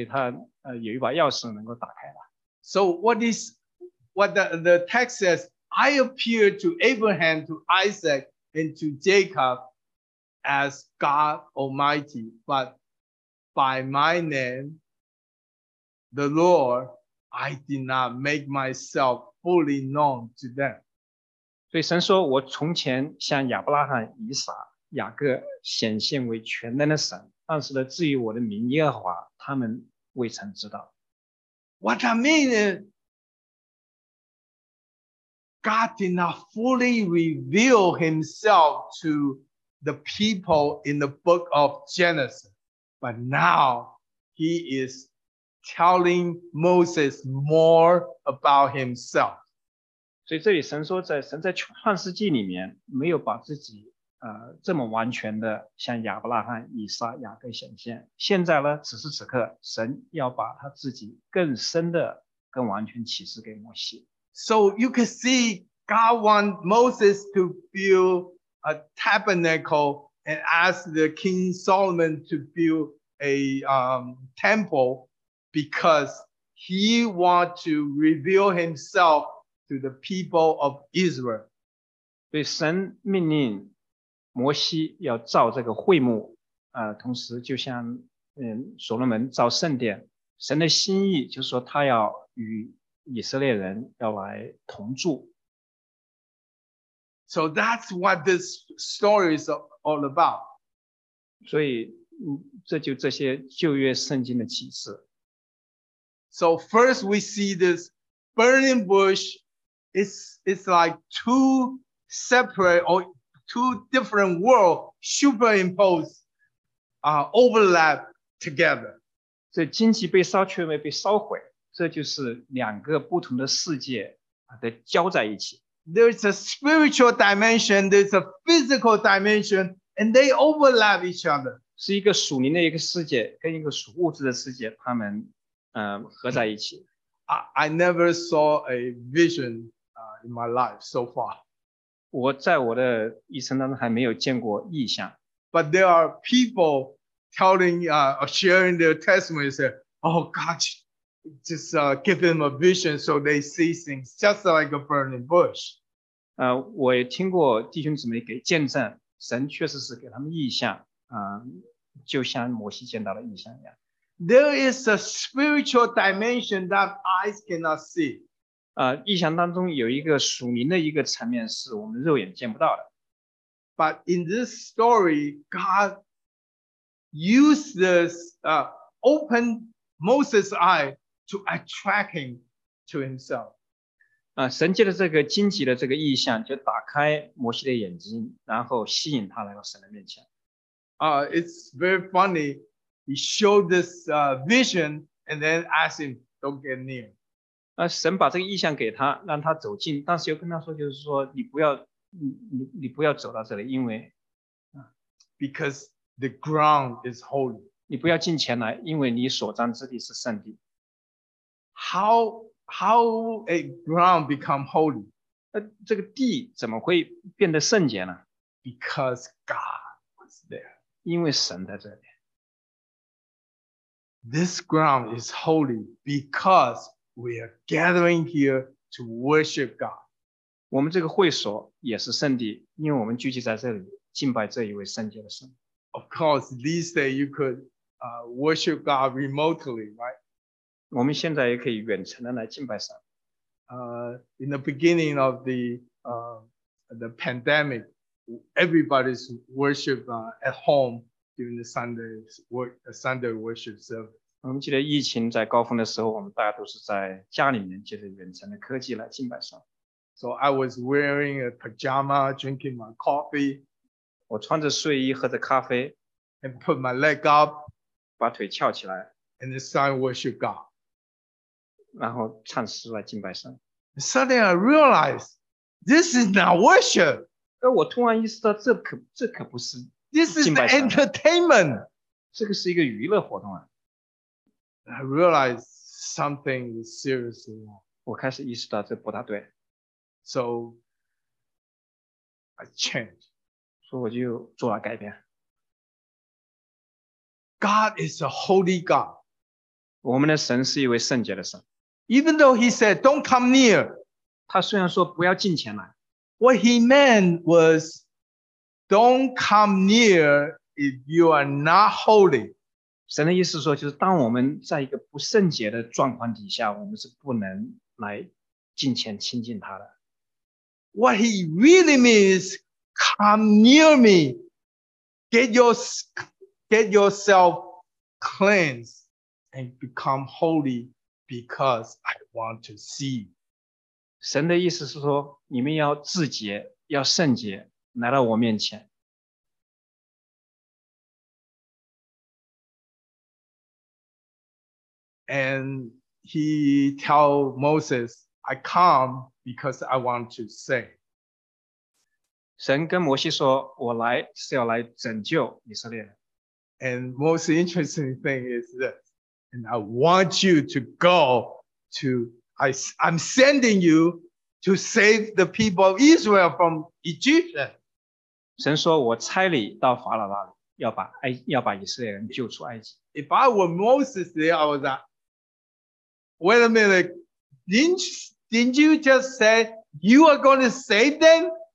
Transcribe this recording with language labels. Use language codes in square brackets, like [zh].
[zh] 所以神给摩西一个提示，所以他有一把钥匙能够打开了。 [en] So what the text says, I appeared to Abraham, to Isaac, and to Jacob as God Almighty, but by my name, the Lord, I did not make myself fully known to them. [zh] 所以神说，我从前向亚伯拉罕、以撒、雅各显现为全能的神，但是呢，至于我的名耶和华，他们未曾知道。 [en] What that means is, God did not fully reveal himself to the people in the book of Genesis, but now he is telling Moses more about himself. [zh] 所以这里神说，在神在创世纪里面没有把自己这么完全的向亚伯拉罕、以撒、雅各显现。现在呢，此时此刻，神要把他自己更深的、更完全启示给摩西。 [en] So you can see God wants Moses to build a tabernacle and ask the King Solomon to build a temple because he wants to reveal himself to the people of Israel. [zh] 对神命令摩西要造这个会幕，同时就像所罗门造圣殿，神的心意就是说他要与以色列人要来同住。 [en] So that's what this story is all about. [zh] 所以这就这些旧约圣经的启示。 [en] So first we see this burning bush, it's like two separate or two different worlds superimposed, overlap together. [zh] 这荆棘被烧却没被烧毁，这就是两个不同的世界的交在一起。 [en] There's a spiritual dimension, there's a physical dimension, and they overlap each other. [zh] 是一个属灵的一个世界跟一个属物质的世界，他们合在一起。 [en] I never saw a vision in my life so far. [zh] 我在我的一生当中还没有见过异象。 [en] But there are people telling, sharing their testimony, say, oh God,Just give them a vision so they see things just like a burning bush. [zh] 我也听过弟兄姊妹给见证，神确实是给他们异象，就像摩西见到了异象一样。 [en] There is a spiritual dimension that eyes cannot see. [zh] 异象当中有一个属灵的一个层面是我们肉眼见不到的。 [en] But in this story, God used this open Moses' eye. To attract him to himself. [zh] 神借着这个荆棘的这个异象，就打开摩西的眼睛，然后吸引他来到神的面前。 [en] It's very funny. He showed this vision and then asked him, "Don't get near." [zh] 神把这个异象给他，让他走近，但是又跟他说，就是说你不要走到这里，因为 [en] Because the ground is holy. [zh] 你不要进前来，因为你所占之地是圣地。 [en] How a ground become holy? [zh] 这个地怎么会变得圣洁呢？ [en] Because God was there. [zh] 因为神在这里。 [en] This ground is holy because we are gathering here to worship God. [zh] 我们这个会所也是圣地，因为我们聚集在这里敬拜这一位圣洁的神。 [en] Of course, these days you could worship God remotely, right? [zh] 我们现在也可以远程的来敬拜神。 [en] In the beginning of the pandemic, everybody's worship at home during the Sunday worship service. [zh] 我们记得疫情在高峰的时候，我们大家都是在家里面，借着远程的科技来敬拜神。 [en] So I was wearing a pajama, drinking my coffee. [zh] 我穿着睡衣喝着咖啡。 [en] And put my leg up. [zh] 把腿翘起来。 [en] And then worship God. [zh] 然后唱诗来敬拜神。 [en] Suddenly I realized, this is not worship. [zh] 我突然意识到这可不是敬拜神。 [en] This is entertainment. [zh] 这个是一个娱乐活动啊。 [en] I realized something is seriously wrong. [zh] 我开始意识到这不大对。 [en] So, I changed. [zh] 所以我就做了改变。 [en] God is a holy God. [zh] 我们的神是一位圣洁的神。 [en] Even though he said, don't come near. [zh] 他虽然说不要近前来。 [en] What he meant was, don't come near if you are not holy. [zh] 神的意思说就是当我们在一个不圣洁的状况底下，我们是不能来近前亲近他的。 [en] What he really means, come near me. Get yourself cleansed and become holy. Because I want to see. [zh] 神的意思是说，你们要自洁，要圣洁，来到我面前。 [en] And he tell Moses, I come because I want to say. [zh] 神跟摩西说, 我来, 是要来拯救以色列人。 [en] And most interesting thing is this. And I want you to go to, I'm sending you to save the people of Israel from Egypt. [zh] 神说, 我差你到法老那里, 要把以色列人救出埃及。 [en] If I were Moses there, I was like, wait a minute, didn't you just say you are going to save them?